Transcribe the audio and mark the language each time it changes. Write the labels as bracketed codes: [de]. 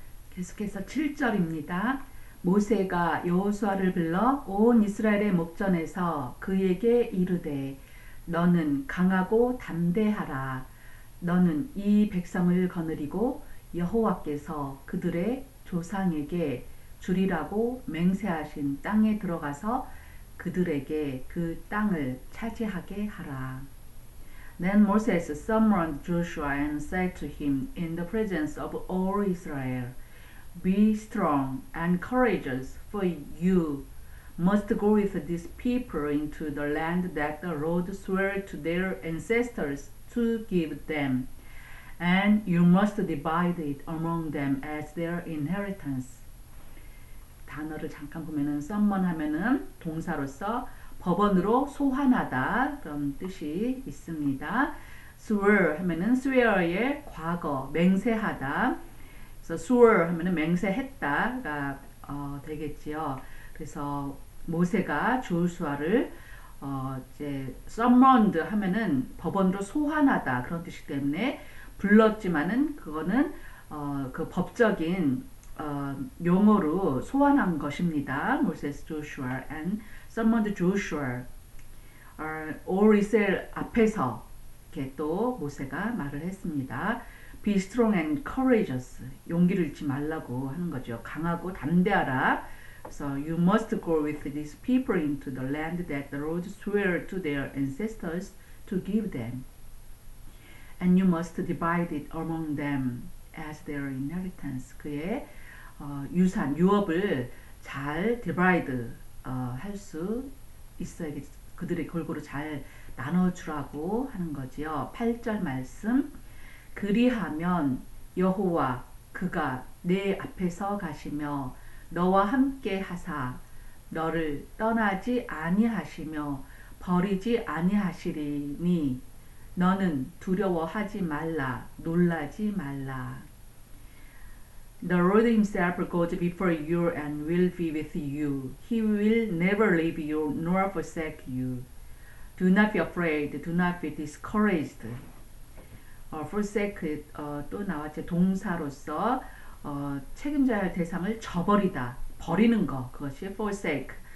[ko] 계속해서 7절입니다. 모세가 여호수아를 불러 온 이스라엘의 목전에서 그에게 이르되 너는 강하고 담대하라. 너는 이 백성을 거느리고 여호와께서 그들의 조상에게 주리라고 맹세하신 땅에 들어가서 그들에게 그 땅을 차지하게 하라. [en] Then Moses summoned Joshua and said to him in the presence of all Israel, Be strong and courageous, for you must go with these people into the land that the Lord swore to their ancestors to give them, and you must divide it among them as their inheritance. [ko] 단어를 잠깐 보면은 summon 하면은 동사로서 법원으로 소환하다 그런 뜻이 있습니다. swore 하면은 swear의 과거 맹세하다. 그래서 swore 하면은 맹세했다가 되겠지요. 그래서 모세가 조수아를 이제 summoned 하면은 법원으로 소환하다 그런 뜻이기 때문에 불렀지만은 그거는 그 법적인 용어로 소환한 것입니다. [en] Moses Joshua and summoned Joshua all Israel [ko] 앞에서 이렇게 또 모세가 말을 했습니다. [en] Be strong and courageous. [ko] 용기를 잃지 말라고 하는 거죠. 강하고 담대하라. [en] So you must go with these people into the land that the Lord swore to their ancestors to give them. And you must divide it among them as their inheritance. [ko] 그의 유산, 유업을 잘 divide 할 수 있어야 그들이 골고루 잘 나눠주라고 하는 거지요. 8절 말씀, 그리하면 여호와 그가 내 앞에서 가시며 너와 함께 하사 너를 떠나지 아니하시며 버리지 아니하시리니 너는 두려워하지 말라 놀라지 말라. [en] The Lord himself goes before you and will be with you. He will never leave you nor forsake you. Do not be afraid, do not be discouraged. [ko] Forsake 또 나왔죠. 동사로서 책임져야 할 대상을 저버리다, 버리는 것, 그것이 forsake.